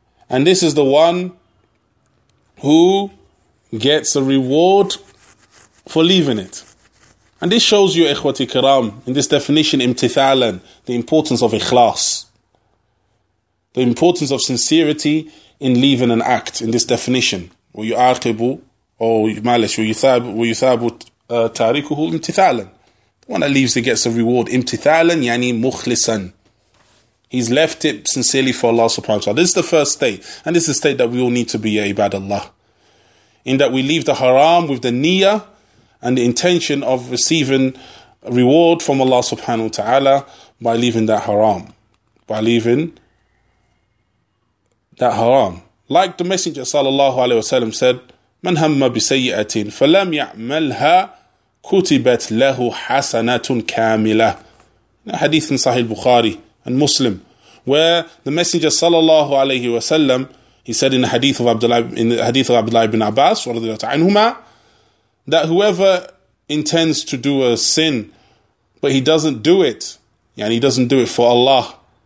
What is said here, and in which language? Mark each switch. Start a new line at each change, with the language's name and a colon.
English: And this is the one who gets a reward for leaving it. And this shows you, ikhwati kiram, in this definition, imtithalan, the importance of ikhlas, the importance of sincerity in leaving an act, in this definition.
Arabic: وَيُعَاقِبُ
English: or
Arabic: مَالَشُ وَيُثَابُ تَارِكُهُ imtithalan.
English: The one that leaves, he gets a reward.
Arabic: Imtithalan, yani مُخْلِسًا.
English: He's left it sincerely for Allah subhanahu wa ta'ala. This is the first state. And this is the state that we all need to be, ya ibadallah. In that we leave the haram with the niyyah and the intention of receiving reward from Allah subhanahu wa ta'ala by leaving that haram. By leaving that haram. Like the Messenger
Arabic: sallallahu alayhi wa sallam said, مَنْ هَمَّ بِسَيِّئَةٍ فَلَمْ يَعْمَلْهَا كُتِبَتْ لَهُ حَسَنَةٌ كَامِلَةٌ.
English: Hadith in Sahih Bukhari and Muslim, where the Messenger sallallahu alayhi wa sallam, he said in the hadith of Abdullah ibn Abbas radiallahu ta'ala anhuma, that whoever intends to do a sin, but he doesn't do it, yani he doesn't do it for Allah,